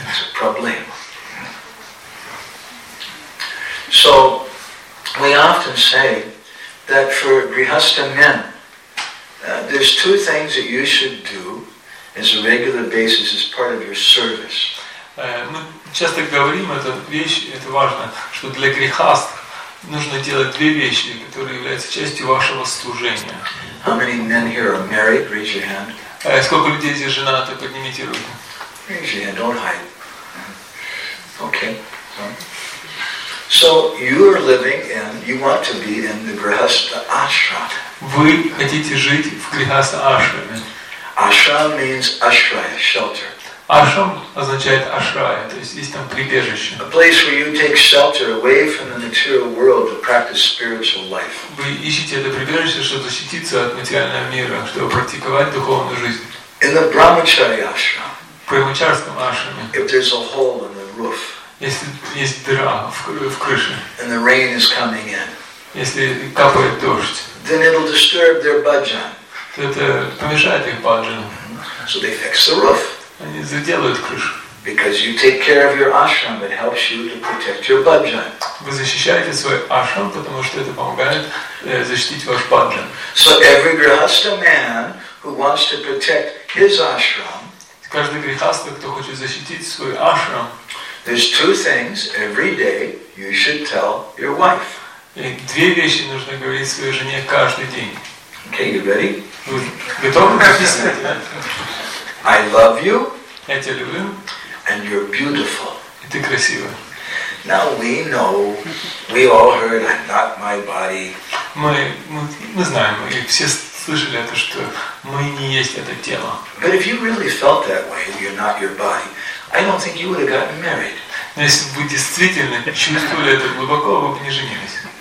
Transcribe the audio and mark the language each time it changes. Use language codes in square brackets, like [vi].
[en] It's a problem. So we often say that for grihastha men, there's two things that you should do as a regular basis as part of your service. [ru] Мы часто говорим, это вещь, это важно, что для грехаст нужно делать две вещи, которые являются частью вашего служения. [en] How many men here are married? Raise your hand. [ru] Сколько людей здесь женаты? Поднимите руку. [en] Raise your hand. Don't hide. Okay. So you are living and you want to be in the grihastha ashram. [ru] Вы хотите жить в грихастха ашраме. [en] Ashram means ashraya, shelter. [ru] Ашрам означает ашрая, то есть есть там прибежище. [en] A place where you take shelter away from the material world to practice spiritual life. [ru] Вы ищете это прибежище, чтобы защититься от материального мира, чтобы практиковать духовную жизнь. [en] In the brahmachari ashram. [ru] В брахмачарском ашраме. [en] If there's a hole in the roof. [ru] Если есть дыра в крыше. [en] And the rain is coming in. [ru] Если капает дождь. [en] Then it'll disturb their bhajan. [ru] Это помешает их bhajan. [en] So they fix the roof. [ru] Они заделают крышу. [en] Because you take care of your ashram, it helps you to protect your bhajan. [ru] Вы защищаете свой ашрам, потому что это помогает защитить ваш bhajan. [en] So every grihastha man who wants to protect his ashram. [ru] Каждый грихастха, кто хочет защитить свой ашрам. [en] There's two things every day you should tell your wife. [ru] И две вещи нужно говорить своей жене каждый день. [en] Okay, you ready? [ru] Вы готовы? [en] I love you. [ru] Я тебя люблю. [en] And you're beautiful. [ru] И ты красивая. [en] Now we know, we all heard, I'm not my body. [ru] Мы знаем, и все слышали это, что мы не есть это тело. [en] But if you really felt that way, you're not your body, I don't think you would have gotten married. [ru] Но если бы вы действительно чувствовали это глубоко, вы бы не женились.